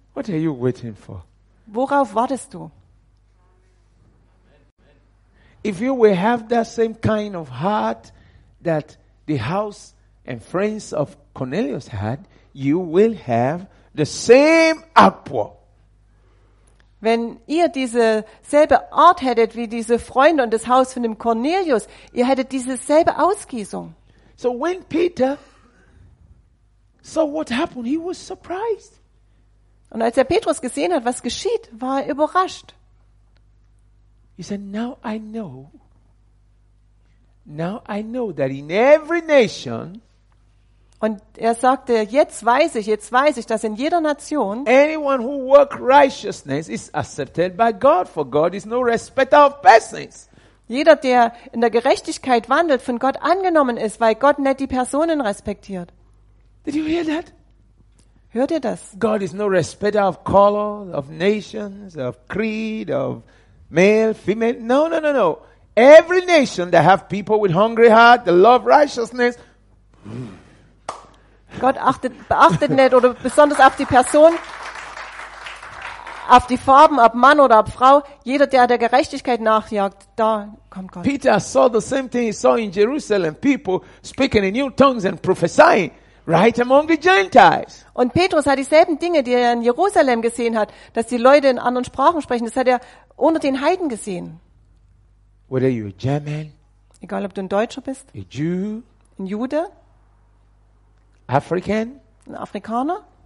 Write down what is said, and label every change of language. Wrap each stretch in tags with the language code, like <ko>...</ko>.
<en>What are you waiting for?</en> <de>Worauf wartest du?</de> <en>If you will have that same kind of heart that the house and friends of Cornelius had, you will have the same outpour.</en> <de>Wenn ihr diese selbe Art hättet wie diese Freunde und das Haus von dem Cornelius, ihr hättet diese selbe Ausgießung.</de> <en>So when Peter saw what happened, he was surprised.</en> <de>Und als er Petrus gesehen hat, was geschieht, war er überrascht.</de> <en>He said, Now I know that in every nation,</en> <de>und er sagte, jetzt weiß ich, dass in jeder Nation,</de> <en>anyone who works righteousness is accepted by God, for God is no respecter of persons.</en> <de>Jeder, der in der Gerechtigkeit wandelt, von Gott angenommen ist, weil Gott nicht die Personen respektiert.</de> <en>Did you hear that?</en> <de>Hört ihr das?</de> <en>God is no respecter of color, of nations, of creed, of male, female. No. Every nation that have people with hungry heart, the love righteousness.</en> <de>Gott beachtet nicht oder besonders auf die Person, auf die Farben, ob Mann oder ob Frau. Jeder, der der Gerechtigkeit nachjagt, da kommt Gott.</de> <en>Peter saw the same thing he saw in Jerusalem. People speaking in new tongues and prophesying right among the Gentiles.</en> <de>Und Petrus hat dieselben Dinge, die er in Jerusalem gesehen hat, dass die Leute in anderen Sprachen sprechen. Das hat er unter den Heiden gesehen.</de> <en>Whether you're German,</en> <de>egal ob du ein Deutscher bist,</de> <en>a Jew,</en> <de>ein Jude,</de> <en>African,</en> <de>ein Afrikaner,</de>